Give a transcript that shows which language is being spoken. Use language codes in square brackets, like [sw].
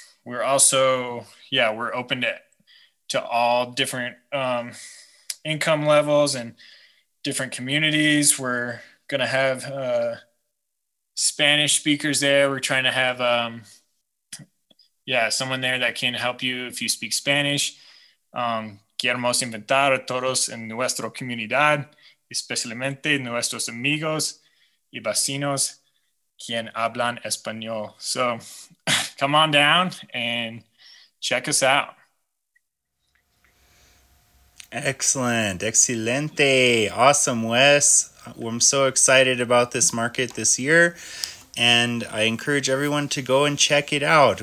[en] We're also, we're open to all different income levels and different communities. We're going to have Spanish speakers there. We're trying to have, someone there that can help you if you speak Spanish. [es] Queremos invitar a todos en nuestra comunidad, especialmente nuestros amigos y vecinos quien hablan español. [en] So come on down and check us out. Excellent. Excelente. Awesome, Wes. I'm so excited about this market this year, and I encourage everyone to go and check it out.